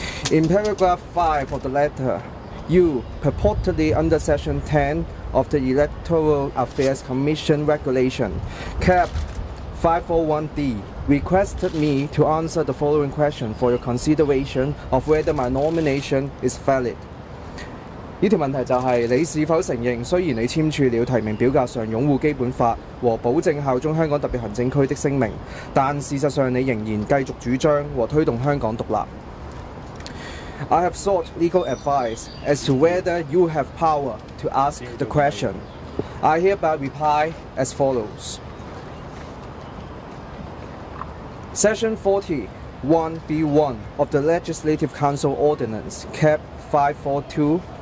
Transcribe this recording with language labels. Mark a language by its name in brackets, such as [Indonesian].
[English] In paragraph 5 of the letter, you, purportedly under section 10 of the Electoral Affairs Commission regulation, cap 541D, requested me to answer the following question for your consideration of whether my nomination is valid. [Cantonese] 呢條問題就係你是否承認，雖然你簽署了提名表格上擁護基本法和保證效忠香港特別行政區的聲明，但事實上你仍然繼續主張和推動香港獨立。 [English] I have sought legal advice as to whether you have power to ask the question. I hereby reply as follows. Section 41(b)(1) of the Legislative Council Ordinance, Cap 542.